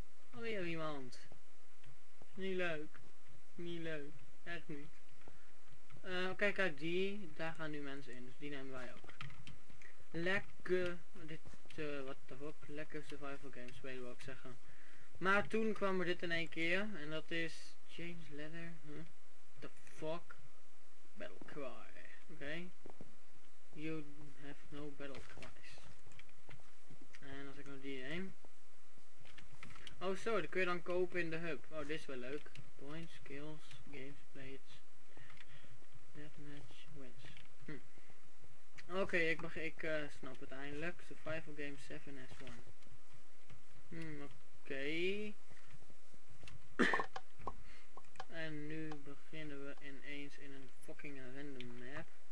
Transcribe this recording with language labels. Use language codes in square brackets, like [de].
[nl] Alweer iemand. Niet leuk. Niet leuk. Echt niet. Kijk, die. Daar gaan nu mensen in, dus die nemen wij ook. Lekker. Wat de fuck, lekker survival games spelen wil ik zeggen. Maar toen kwam er dit in één keer en dat is James Leather, huh? [en] The fuck, battle cry. Oké, you have no battle cries. [nl] En als ik nou die neem, oh zo, die kun je dan kopen in de hub. Oh, dit is wel leuk. [en] Points, skills, games played, deathmatch, wins. [nl] Oké, ik snap het eindelijk. Survival game 7S1. Oké. En nu beginnen we ineens in een fucking random map.